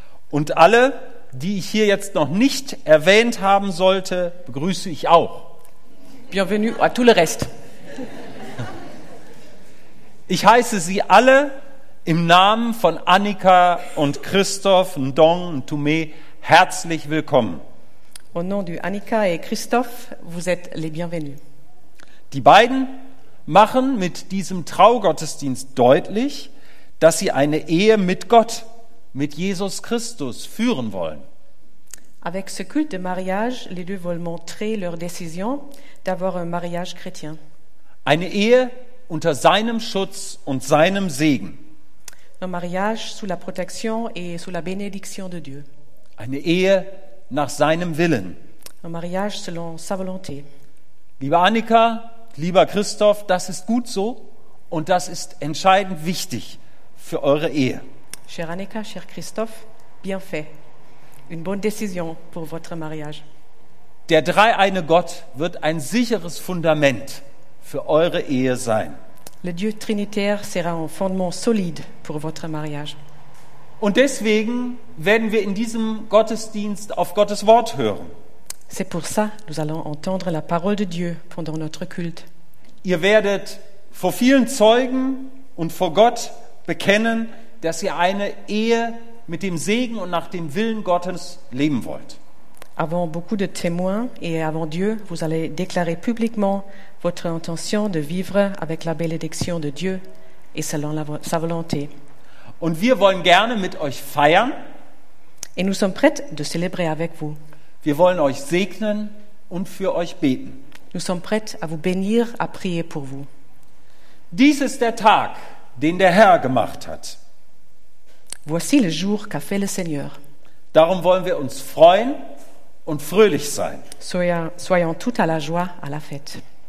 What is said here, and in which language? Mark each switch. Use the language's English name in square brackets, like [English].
[German] Und alle, die ich hier jetzt noch nicht erwähnt haben sollte, begrüße ich auch. [French] Bienvenue à tout le reste. [German] Ich heiße Sie alle im Namen von Annika und Christophe Ndong Ntoumé herzlich willkommen. [French] Au nom de Annika et Christophe, vous êtes les bienvenus. [German] Die beiden machen mit diesem Traugottesdienst deutlich, dass sie eine Ehe mit Gott, mit Jesus Christus führen wollen. [French] Avec ce culte de mariage, les deux veulent montrer leur décision d'avoir un mariage chrétien. [German] Eine Ehe unter seinem Schutz und seinem Segen. [French] Un mariage sous la protection et sous la bénédiction de Dieu. [German] Eine Ehe nach seinem Willen. [French] Un mariage selon sa volonté. [German] Liebe Annika, lieber Christoph, das ist gut so und das ist entscheidend wichtig für eure Ehe. [French] Chère Annika, cher Christophe, bien fait. Une bonne décision pour votre mariage. [German] Der dreieine Gott wird ein sicheres Fundament für eure Ehe sein. [French] Le Dieu trinitaire sera un fondement solide pour votre mariage. [German] Und deswegen werden wir in diesem Gottesdienst auf Gottes Wort hören. [French] C'est pour ça que nous allons entendre la parole de Dieu pendant notre culte. [German] Ihr werdet vor vielen Zeugen und vor Gott bekennen, dass ihr eine Ehe mit dem Segen und nach dem Willen Gottes leben wollt. [French] Avant beaucoup de témoins et avant Dieu, vous allez déclarer publiquement votre intention de vivre avec la bénédiction de Dieu et selon sa volonté. [German] Und wir wollen gerne mit euch feiern. [French] Et nous sommes prêts de célébrer avec vous. [German] Wir wollen euch segnen und für euch beten. [French] Nous sommes prêts à vous bénir, à prier pour vous. [German] Dies ist der Tag, den der Herr gemacht hat. [French] Voici le jour qu'a fait le Seigneur. [German] Darum wollen wir uns freuen und fröhlich sein. [French] Soyons toutes à la joie, à la fête.